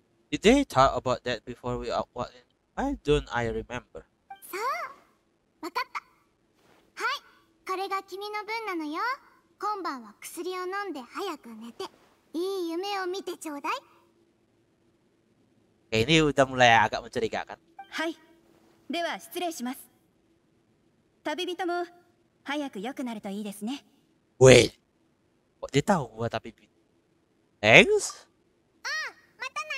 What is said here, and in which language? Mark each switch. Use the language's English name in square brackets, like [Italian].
[English] Did they talk about that before we walked in? Why don't I remember? [Japanese] そう、わかった。はい、これが君の分なのよ。今晩は薬を飲んで早く寝て、いい夢を見てちょうだい。 [Indonesian] Ini udah mulai agak mencurigakan. [Japanese] はい、では失礼します。旅人も早く良くなるといいですね。 [English] Wait! [Japanese] 出た方が旅人。 [English] Thanks? [Japanese] うん、またな。